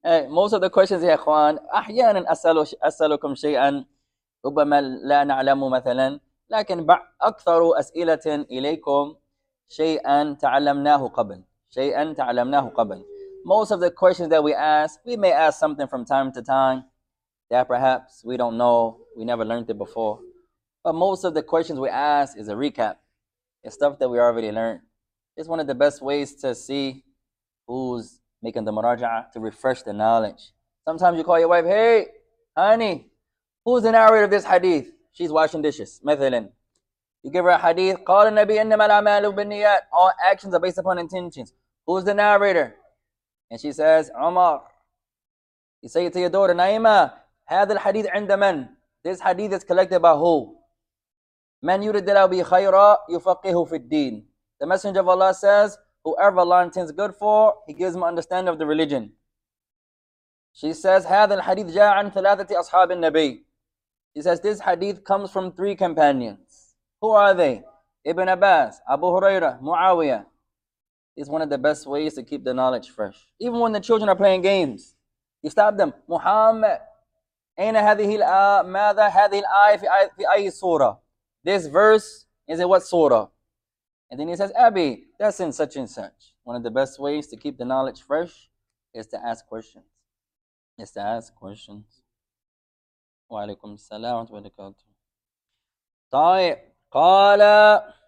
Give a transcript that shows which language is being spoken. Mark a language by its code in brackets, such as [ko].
[en] Most of the questions, [ar] يا إخوان, أحيانا أسألكم شيئا ربما لا نعلم مثلا, لكن أكثر أسئلة إليكم شيئا تعلمناه قبل. شيئا تعلمناه قبل. [en] Most of the questions that we ask, we may ask something from time to time that perhaps we don't know, we never learned it before. But most of the questions we ask is a recap. It's stuff that we already learned. It's one of the best ways to see who's making the muraja'ah, to refresh the knowledge. Sometimes you call your wife, hey, honey, who's the narrator of this hadith? She's washing dishes, مثلاً. You give her a hadith, [ar] قال النبي إنما الأعمال بالنيات, [en] all actions are based upon intentions. Who's the narrator? And she says, Umar. You say it to your daughter, Naima, [ar] هذا الحديث عند من? [en] This hadith is collected by who? [ar] من يريد له بخيرا يفقهه في الدين. [en] The Messenger of Allah says, whoever Allah intends good for, he gives him understanding of the religion. She says, [ar] هذا الحديث جاء عن ثلاثة أصحاب النبي. [en] She says, this hadith comes from three companions. Who are they? Ibn Abbas, Abu Huraira, Muawiyah. It's one of the best ways to keep the knowledge fresh. Even when the children are playing games, you stop them. [ar] Muhammad, أين هذه ماذا هذه الآية في أي سورة? [en] This verse is in what surah? And then he says, Abi, that's in such and such. One of the best ways to keep the knowledge fresh is to ask questions. Is to ask questions. Wa alaikum salam wa rahmatullahi wa barakatuh.